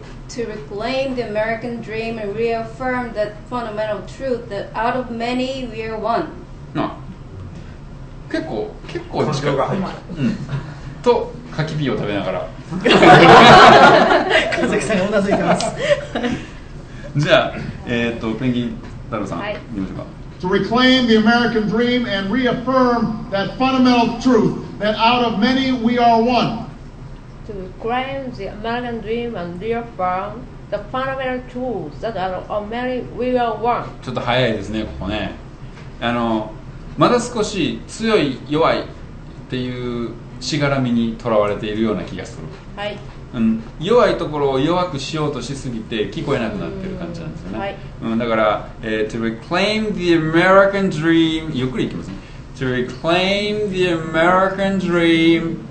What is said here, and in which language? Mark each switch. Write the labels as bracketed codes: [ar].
[en] To reclaim the American dream and reaffirm that fundamental truth that out of many we are one. [ja] No. 結構近く、うん、と、カキピーを食べながら神崎さんがうなずいてますじゃあ、ペンギン太郎さん、はい、見ましょうか [en] To reclaim the American dream and reaffirm that fundamental truth that out of many we are one To reclaim the American dream and reaffirm the fundamental truth that out of many we are one [ja] ちょっと早いですね、ここねあのまだ少し強い弱いっていうしがらみにとらわれているような気がする、はいうん、弱いところを弱くしようとしすぎて聞こえなくなってる感じなんですよね、はい [en] うん、だから、To reclaim the American dream [ja] ゆっくりいきますね [en] To reclaim the American dream